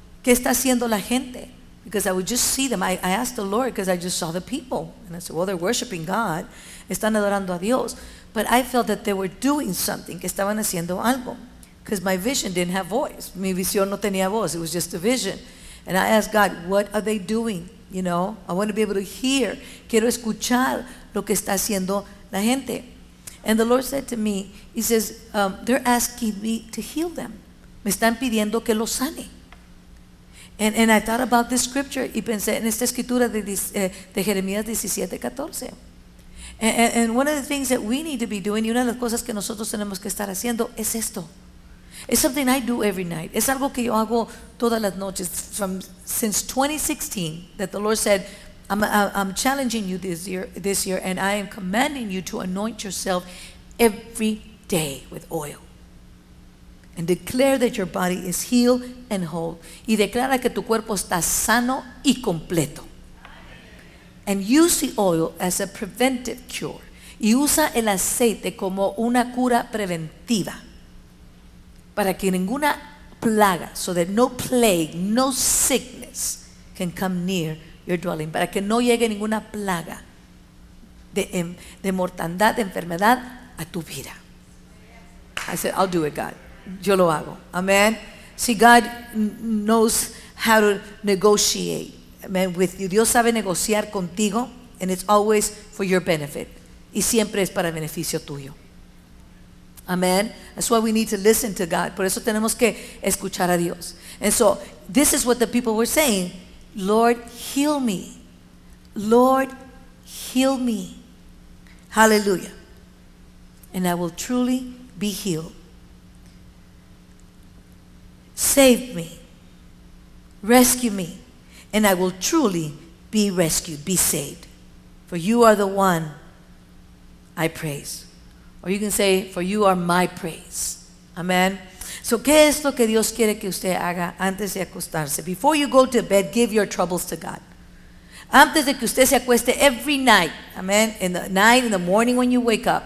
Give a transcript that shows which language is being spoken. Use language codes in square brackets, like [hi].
[es] ¿Qué está haciendo la gente? [en] Because I would just see them. I asked the Lord because I just saw the people. And I said, well, they're worshiping God. [es] Están adorando a Dios. [en] But I felt that they were doing something, [es] que estaban haciendo algo, [en] because my vision didn't have voice. [es] Mi visión no tenía voz. [en] It was just a vision. And I asked God, what are they doing? You know, I want to be able to hear. [es] Quiero escuchar lo que está haciendo la gente. [en] And the Lord said to me, He says, they're asking me to heal them. [es] Me están pidiendo que los sane. [en] And I thought about this scripture, [es] y pensé en esta escritura de Jeremías 17:14. [en] And one of the things that we need to be doing, [es] y una de las cosas que nosotros tenemos que estar haciendo, es esto. [en] It's something I do every night. [es] Es algo que yo hago todas las noches. [en] Since 2016, that the Lord said, I'm challenging you this year, and I am commanding you to anoint yourself every day with oil. And declare that your body is healed and whole. [es] Y declara que tu cuerpo está sano y completo. [en] And use the oil as a preventive cure. [es] Y usa el aceite como una cura preventiva. Para que ninguna plaga, [en] so that no plague, no sickness can come near your dwelling. [es] Para que no llegue ninguna plaga de mortandad, de enfermedad a tu vida. [en] I said, I'll do it, God. [es] Yo lo hago. [en] Amen. See, God knows how to negotiate. Amen. With you. [es] Dios sabe negociar contigo, [en] and it's always for your benefit. [es] Y siempre es para beneficio tuyo. Amen. [en] That's why we need to listen to God. [es] Por eso tenemos que escuchar a Dios. [en] And so, this is what the people were saying. Lord, heal me. Lord, heal me. Hallelujah. And I will truly be healed. Save me. Rescue me. And I will truly be rescued, be saved. For you are the one I praise. Or you can say, for you are my praise. Amen. [es] So, ¿qué es lo que Dios quiere que usted haga antes de acostarse? [en] Before you go to bed, give your troubles to God. [es] Antes de que usted se acueste [en] every night. Amen. In the night, in the morning when you wake up.